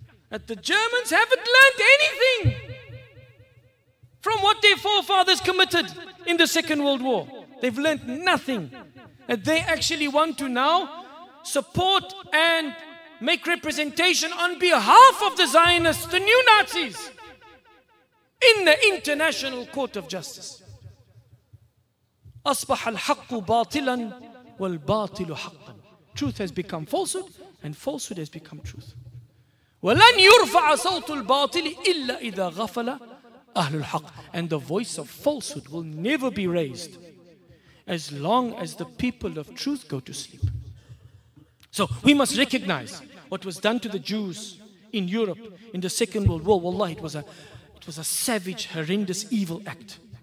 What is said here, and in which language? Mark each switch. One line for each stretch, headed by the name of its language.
English: That the Germans haven't learned anything from what their forefathers committed in the Second World War. They've learned nothing. And they actually want to now support and make representation on behalf of the Zionists, the new Nazis, in the International Court of Justice.
Arabic: أصبح الحق باطلا والباطل حقا.
English: Truth has become falsehood and falsehood has become truth.
Arabic: ولن يرفع صوت الباطل إلا إذا غفل أهل الحق.
English: And the voice of falsehood will never be raised as long as the people of truth go to sleep. So we must recognize what was done to the Jews in Europe in the Second World War. Wallah, it was a savage, horrendous, evil act.